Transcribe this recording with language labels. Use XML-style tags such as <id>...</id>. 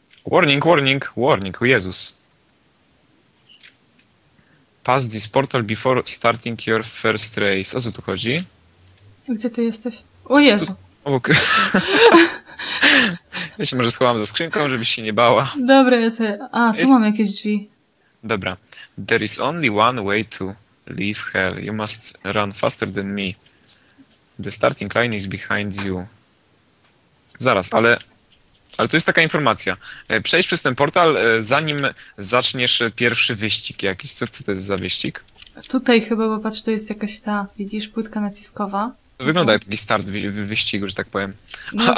<en>Warning, warning, warning,</en> <pl>o Jezus.</pl> <en>Pass this portal before starting your first race.</en> <pl>O co tu chodzi? Gdzie ty jesteś? O Jezu! Obok. Ja się może schowam za skrzynką, żebyś się nie bała. Dobra, ja sobie... A, tu mam Jest. jakieś drzwi. Dobra.</pl> <en>There is only one way to leave hell. You must run faster than me. The starting line is behind you.</en> <pl>Zaraz, ale to jest taka informacja. Przejdź przez ten portal, zanim zaczniesz pierwszy wyścig jakiś. Co to jest za wyścig? Tutaj chyba, bo patrz, to jest jakaś ta, widzisz, płytka naciskowa. Wygląda jak taki start wyścigu, że tak powiem. No to</pl>